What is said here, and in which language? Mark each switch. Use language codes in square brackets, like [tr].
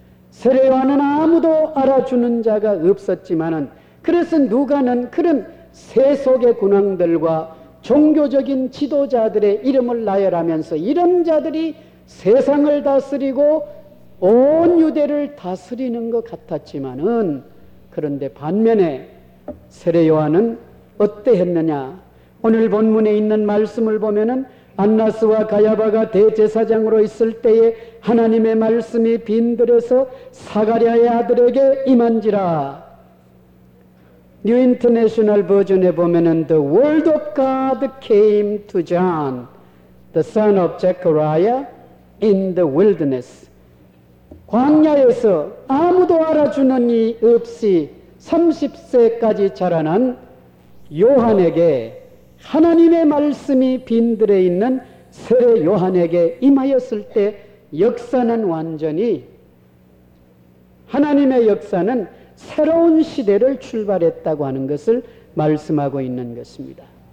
[ko] 세례 요한은 아무도 알아주는 자가 없었지만은, 그래서 누가는 그런 세속의 군왕들과 종교적인 지도자들의 이름을 나열하면서 이런 자들이 세상을 다스리고 온 유대를 다스리는 것 같았지만은, 그런데 반면에 세례 요한은 어땠느냐? 오늘 본문에 있는 말씀을 보면은 안나스와 가야바가 대제사장으로 있을 때에 하나님의 말씀이 빈들어서 사가랴의 아들에게 임한지라. 뉴 인터내셔널 버전에 보면은 [en] The word of God came to John, the son of Zechariah, in the wilderness. [ko] 광야에서 아무도 알아주는 이 없이 30세까지 자라난 요한에게, 하나님의 말씀이 빈들에 있는 세례 요한에게 임하였을 때 역사는 완전히, 하나님의 역사는 새로운 시대를 출발했다고 하는 것을 말씀하고 있는 것입니다.